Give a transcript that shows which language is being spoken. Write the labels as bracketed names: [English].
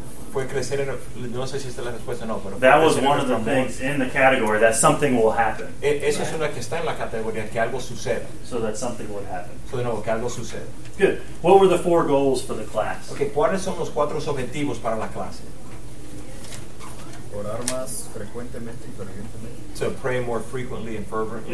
[Spanish] Fue crecer en, no sé si esta es la respuesta, no, pero [English] that was one of the things in the category that something will happen. [Spanish] Eso right. Es una que está en la categoría que algo suceda. [English] So that something would happen. [Spanish] So de nuevo, que algo suceda. [English] Good. What were the 4 goals for the class? [Spanish] Okay, ¿cuáles son los 4 objetivos para la clase? Orar más frecuentemente y fervientemente. [English] To pray more frequently and fervently.